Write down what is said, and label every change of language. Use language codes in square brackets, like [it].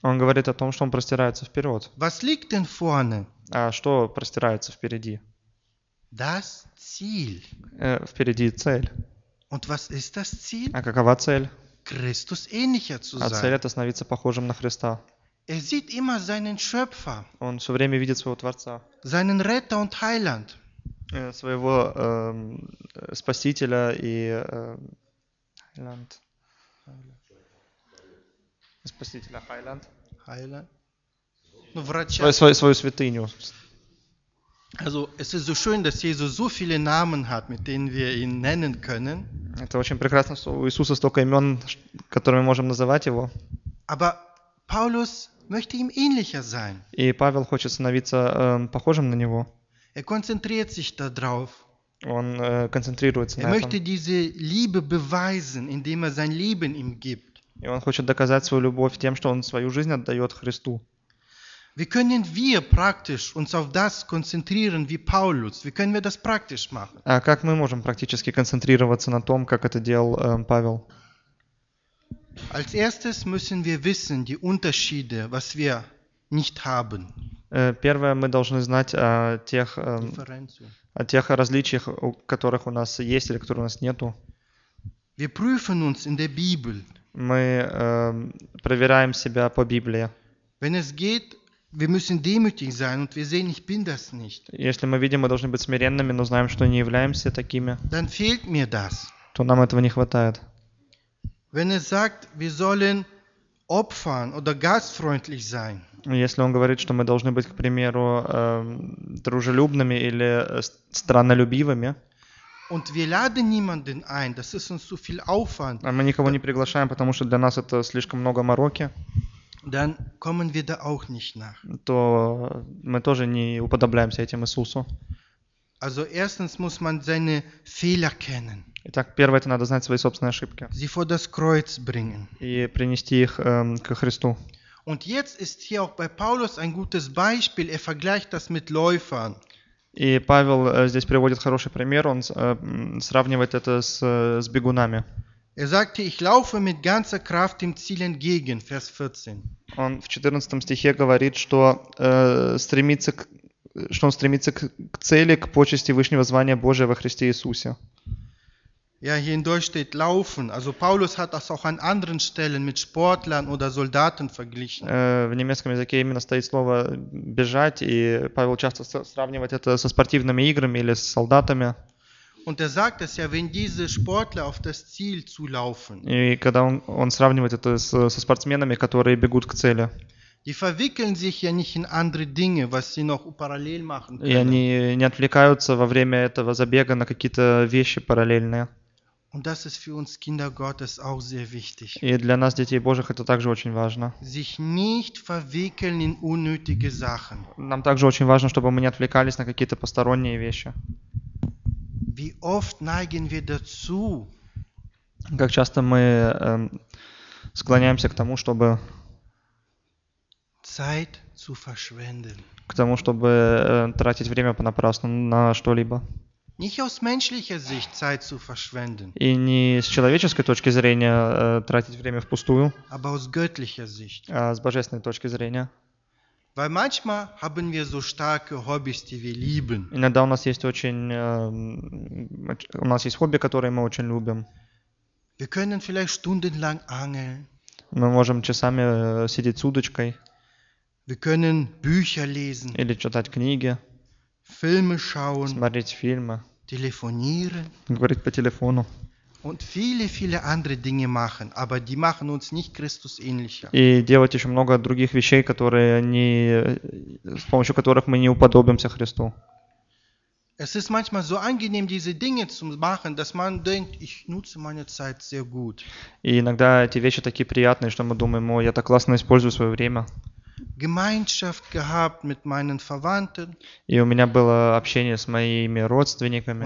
[ru] Он говорит о том, что он простирается вперед. [de] Was liegt denn vorne? [ru] А что простирается впереди? [de] Das Ziel. [ru] Впереди цель. [de] Und was ist das Ziel? [ru] А какова цель? [de] Christus ähnlicher zu sein. [ru] А цель – это становиться похожим на Христа. [de] Er sieht immer seinen Schöpfer. [ru] Он все время видит своего Творца. [de] Seinen Retter und Heiland. [ru] Своего Спасителя и Heiland. Спасителя Heiland. Ну, врача. Свою святыню. [de] Also, es ist so schön, dass Jesus so viele Namen hat, mit denen wir ihn nennen können. [ru] Это очень прекрасно, что у Иисуса столько имен, которыми можем называть его. [de] Aber Paulus möchte ihm ähnlicher sein. [ru] И Павел хочет становиться похожим на него. [de] Er konzentriert sich da drauf. [ru] Он концентрируется на этом. [de] Er möchte diese Liebe beweisen, indem er sein Leben ihm gibt. [ru] И он хочет доказать свою любовь тем, что он свою жизнь отдает Христу. [de] Wie können wir praktisch uns auf das konzentrieren wie Paulus? Wie können wir das praktisch machen? [ru] А как мы можем практически концентрироваться на том, как это делал Павел? [de] Als erstes müssen wir wissen die Unterschiede, was wir nicht haben. [ru] Первое, мы должны знать о тех различиях, которых у нас есть или которых у нас нету. [de] Wir prüfen uns in der Bibel. [ru] Мы проверяем себя по Библии. [de] Wenn es geht, wir müssen demütig sein und wir sehen, ich bin das nicht. [ru] Если мы видим, мы должны быть смиренными, но знаем, что не являемся такими. [de] Dann fehlt mir das. [ru] То нам этого не хватает. [de] Wenn es sagt, wir sollen opfern oder gastfreundlich sein. [ru] Если он говорит, что мы должны быть, к примеру, дружелюбными или страннолюбивыми. [de] Und wir laden niemanden ein, das ist uns zu viel Aufwand. [ru] А мы никого не приглашаем, потому что для нас это слишком много мороки. [de] Dann kommen wir da auch nicht nach. [ru] То мы тоже не уподобляемся этим Иисусу. [de] Also erstens muss man seine Fehler kennen. [ru] Итак, первое, это надо знать свои собственные ошибки. [de] Sie vor das Kreuz bringen. [ru] И принести их к Христу. [de] Und jetzt ist hier auch bei Paulus ein gutes Beispiel. Er vergleicht das mit Läufern. [ru] И Павел здесь приводит хороший пример. Он сравнивает это с бегунами. [de] Er sagte, ich laufe mit ganzer Kraft dem Ziel entgegen, Vers 14. [ru] Он в 14 стихе говорит, что он стремится к цели, к почести Вышнего звания Божия во Христе Иисусе. [de] Ja, hier in Deutsch steht laufen. Also Paulus hat das auch an anderen Stellen mit Sportlern oder Soldaten verglichen. [ru] В немецком языке именно стоит слово бежать, и Павел часто сравнивает это со спортивными играми или с солдатами. [de] Und er sagt es ja, wenn diese Sportler auf das Ziel zulaufen. [ru] И когда он сравнивает это со спортсменами, которые бегут к цели. [de] Die verwickeln sich ja nicht in andere Dinge, was sie noch parallel machen können. [ru] И они не отвлекаются во время этого забега на какие-то вещи параллельные. [de] Und das ist für uns Kinder Gottes auch sehr wichtig. [ru] И для нас, детей Божьих, это также очень важно. [de] Sich nicht verwickeln in unnötige Sachen. [ru] Нам также очень важно, чтобы мы не отвлекались на какие-то посторонние вещи. [de] Wie oft neigen wir dazu? [ru] Как часто мы склоняемся к тому, чтобы [de] Zeit zu verschwenden. [ru] К тому, чтобы тратить время понапрасну на что-либо. [de] Nicht aus menschlicher Sicht Zeit zu verschwenden. [ru] И не с человеческой точки зрения тратить время впустую. [de] Aber aus göttlicher Sicht. [ru] А с божественной точки зрения. [de] Weil manchmal haben wir so starke Hobbys, die wir lieben. [ru] Иногда у нас есть хобби, которые мы очень любим. [de] Wir können vielleicht stundenlang angeln. [ru] Мы можем часами сидеть с удочкой. [de] Wir können Bücher lesen. [ru] Или читать книги. [de] Filme schauen. [ru] Смотреть фильмы. [de] Telefonieren. [ru] Говорить по телефону. [de] Und viele, viele andere Dinge machen, aber die machen uns nicht Christus ähnlicher. [ru] И делать еще много других вещей, которые не с помощью которых мы не уподобимся Христу. [de] Es ist manchmal so angenehm, diese Dinge zu machen, dass man denkt, ich nutze meine Zeit sehr gut. [ru] И иногда эти вещи такие приятные, что мы думаем, о, я так классно использую свое время. [de] Gemeinschaft gehabt mit meinen Verwandten. [ru] И у меня было общение с моими родственниками.